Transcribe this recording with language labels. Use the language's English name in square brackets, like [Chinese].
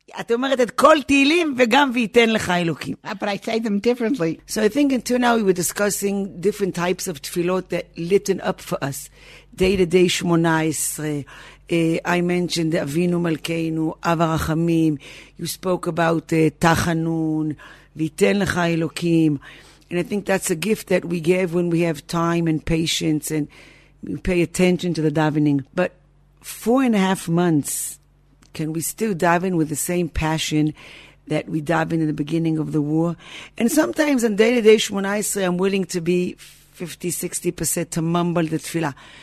[Hebrew] את אומרת את כל תהילים וגם ויתן לך אלוקים. [English] But I say them differently. So I think until now we were discussing different types of tefillot that lighten up for us. Day to day 18. I mentioned Avinu Malkeinu, Ava Rachamim. You spoke about Tachanun, ויתן לך אלוקים. And I think that's a gift that we give when we have time and patience and we pay attention to the davening. But 4.5 months... Can we still daven with the same passion that we davened in the beginning of the war? And sometimes on day-to-day Shmona Esrei, I'm willing to be 50-60% to mumble the tefillah.